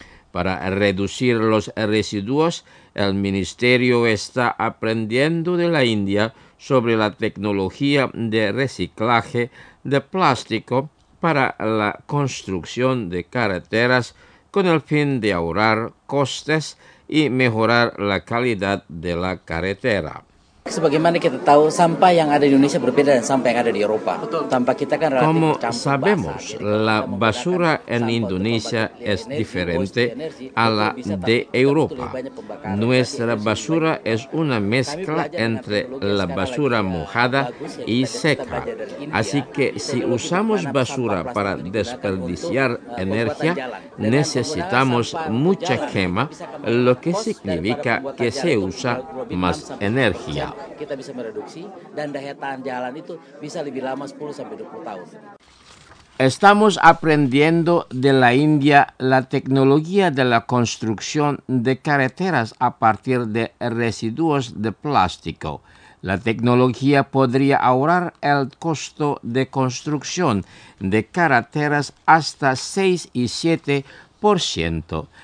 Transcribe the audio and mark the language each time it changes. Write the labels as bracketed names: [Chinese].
[Spanish] Para reducir los residuos, el ministerio está aprendiendo de la India sobre la tecnología de reciclaje de plástico para la construcción de carreteras con el fin de ahorrar costes y mejorar la calidad de la carretera. [Indonesian] Sebagaimana kita tahu, sampah yang ada di Indonesia berbeda dengan sampah yang ada di Eropa. Sampah kita kan relatif [Spanish] Como sabemos, la basura en Indonesia es diferente a la de Europa. Nuestra basura es una mezcla entre la basura mojada y seca. Así que si usamos basura para desperdiciar energía, necesitamos mucha quema, lo que significa que se usa más energía. [Indonesian] Kita bisa mereduksi dan daya tahan jalan itu bisa lebih lama 10-20 tahun. [Spanish] Estamos aprendiendo de la India la tecnología de la construcción de carreteras a partir de residuos de plástico. La tecnología podría ahorrar el costo de construcción de carreteras hasta 6-7%.